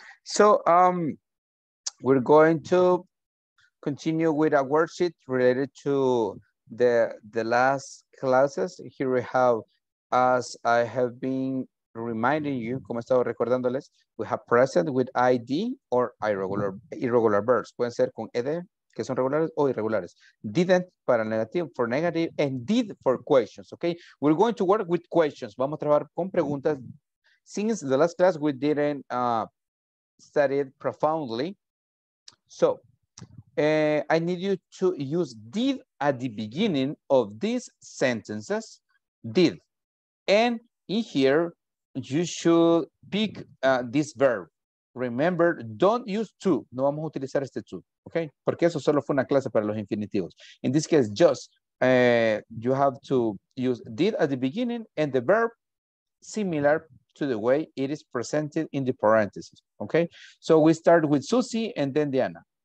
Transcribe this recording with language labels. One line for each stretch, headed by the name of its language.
English: So we're going to continue with a worksheet related to the last classes. Here we have, as I have been reminding you,
Spanish: como estaba recordándoles,
English: we have present with ID or irregular verbs.
Spanish: Pueden ser con ED, que son regulares o irregulares.
English: Didn't para negative, for negative, and did for questions, okay? We're going to work with questions.
Spanish: Vamos a trabajar con preguntas.
English: Since the last class, we didn't study it profoundly. So, I need you to use did at the beginning of these sentences, did. And in here, you should pick this verb. Remember, don't use to.
Spanish: No vamos a utilizar este to,
English: okay?
Spanish: Porque eso solo fue una clase para los infinitivos.
English: In this case, just, you have to use did at the beginning and the verb similar to the way it is presented in the parentheses, okay? So we start with Susie and then Diana.